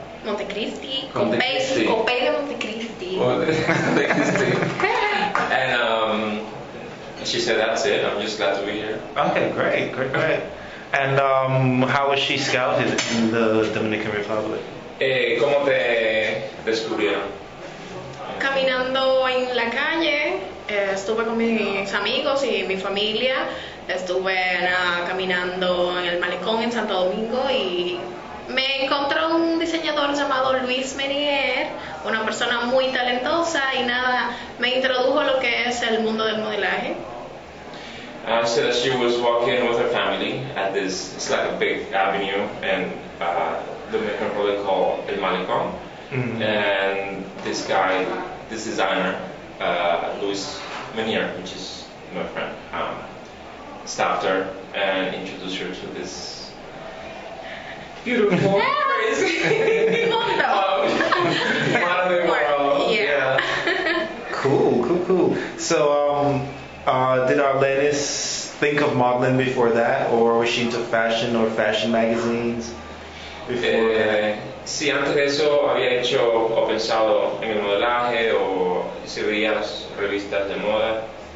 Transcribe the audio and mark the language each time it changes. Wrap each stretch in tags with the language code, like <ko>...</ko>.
<en>Montecristi, Coppé de Montecristi. And she said that's it, I'm just glad to be here. Okay, great. And how was she scouted in the Dominican Republic?</en> <es>¿Cómo te descubrieron? Caminando en la calle, estuve con mis amigos y mi familia. Estuve caminando en el malecón en Santo Domingo y me encontré un diseñador llamado Luis Menier, una persona muy talentosa y nada, me introdujo a lo que es el mundo del modelaje.</es> <en>So that she was walking with her family at this, it's like a big avenue in the Dominican Republic called El Malecón. Mm-hmm. And this guy, this designer, Luis Menier, which is my friend, stopped her and introduced her to this beautiful, crazy</en> <es>mundo.</es> <en>Yeah. Cool. So, did Arlenis think of modeling before that, or was she into fashion or fashion magazines before?</en> <es>Sí, antes de eso había hecho o pensado en el modelaje o si veía las revistas de moda.</es>